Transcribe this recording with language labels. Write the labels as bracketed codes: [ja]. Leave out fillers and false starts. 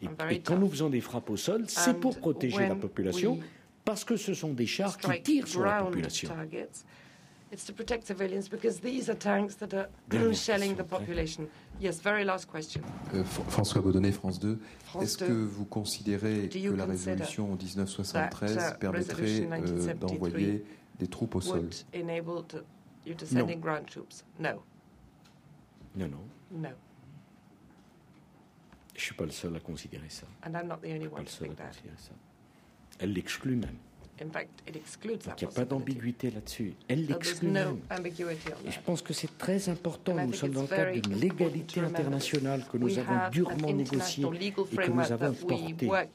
[fr] Et quand nous faisons des frappes au sol, c'est pour protéger la population, parce que ce sont des chars qui tirent sur la population. [en] Targets. It's to protect civilians because these are tanks that are shelling the population. Yes, very last question. [fr] François Godonnet, France 2. Est-ce que vous considérez que la résolution 1973 permettrait d'envoyer des troupes au sol? [en] Would enable you to send in ground troops? No. [fr] Non, non. [en] No. [fr] Je ne suis pas le seul à considérer ça. [en] And I'm not the only one to think that. [fr] Elle l'exclut même. [en] In fact, it excludes [fr] Donc, il n'y a pas d'ambiguïté là-dessus. Elle l'exclut [en] no [fr] même. Je pense que c'est très important. Nous sommes dans le cadre d'une légalité internationale que nous avons durement négociée et que nous avons portée.